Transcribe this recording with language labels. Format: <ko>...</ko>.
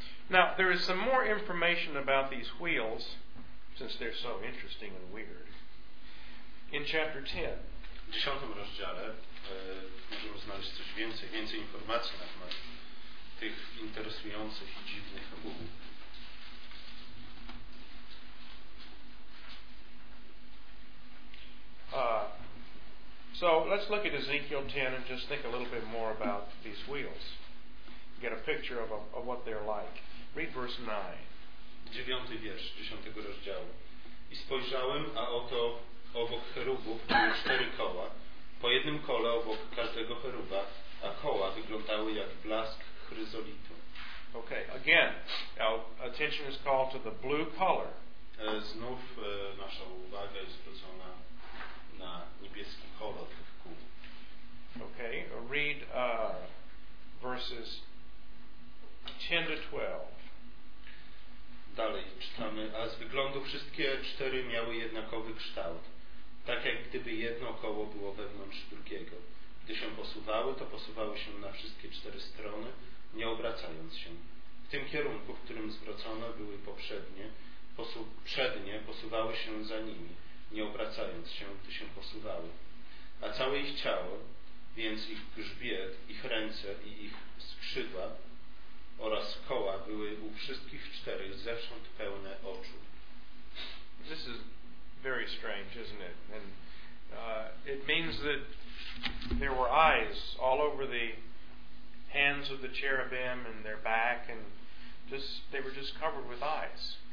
<en>Now, there is some more information about these wheels, since they're so interesting and weird, in chapter 10.</en> <pl>W 10 rozdziale możemy znaleźć coś więcej informacji na temat tych interesujących i dziwnych wheels.</pl> <en>So let's look at Ezekiel 10 and just think a little bit more about these wheels. Get a picture of what they're like. Read verse 9.</en> <pl>9 wiersz 10 rozdziału. I spojrzałem, a oto obok cherubów były 4 koła, po jednym kole obok każdego cheruba, a koła wyglądały jak blask chryzolitu.</pl> <en>Okay, again, our attention is called to the blue color.</en> <pl>Znów nasza uwaga jest zwrócona na niebieski kolor tych kół.</pl> <en>Okay, read verses 10 to 12.</en> <pl>Dalej czytamy, a z wyglądu wszystkie cztery miały jednakowy kształt, tak jak gdyby jedno koło było wewnątrz drugiego. Gdy się posuwały, to posuwały się na wszystkie cztery strony, nie obracając się. W tym kierunku, w którym zwrócono, były poprzednie, przednie posuwały się za nimi, nie obracając się, gdy się posuwały. A całe ich ciało, więc ich grzbiet, ich ręce i ich skrzydła oraz koła były u wszystkich czterech zewsząd pełne oczu.</pl> <en>This is very strange, isn't it? And it means that there were eyes all over the hands of the cherubim and their back, and just they were just covered with eyes.</en>